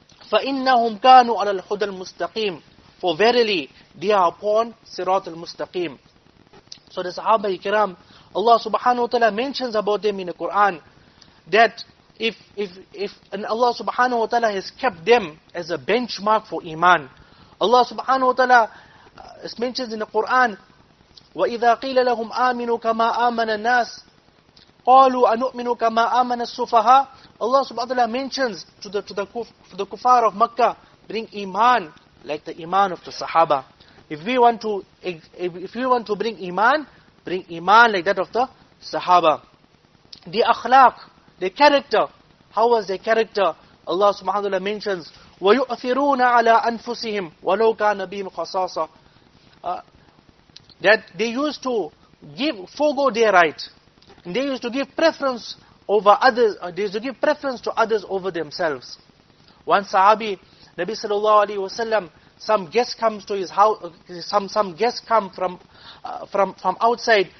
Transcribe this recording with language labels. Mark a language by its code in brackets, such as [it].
[ar] فَإِنَّهُمْ كَانُوا عَلَى الْحُدَى الْمُسْتَقِيمِ. [en] For verily, they are upon sirat al-mustaqim. So the Sahaba ikram, Allah subhanahu wa ta'ala mentions about them in the Quran that if and Allah subhanahu wa ta'ala has kept them as a benchmark for iman. Allah subhanahu wa ta'ala it mentions in the Quran, [ar] وَإِذَا قِيلَ لَهُمْ آمِنُوا كَمَا آمَنَ النَّاسِ قَالُوا أَنُؤْمِنُوا كَمَا آمَنَ السُّفَهَا. [en] Allah subhanahu wa ta'ala mentions to the kuffar of Mecca, bring iman like the iman of the Sahaba. If we want to bring iman like that of the Sahaba. The akhlaq, the character, How was their character? Allah subhanahu wa ta'ala mentions, [ar] وَيُؤْثِرُونَ عَلَىٰ أَنفُسِهِمْ وَلَوْ كَانَ بِهِمْ خَصَاصًا. [en] That they used to forego their right. And they used to give preference over others. They used to give preference to others over themselves. One sahabi, Nabi sallallahu alayhi wa sallam, some guest comes to his house, some guests come from outside.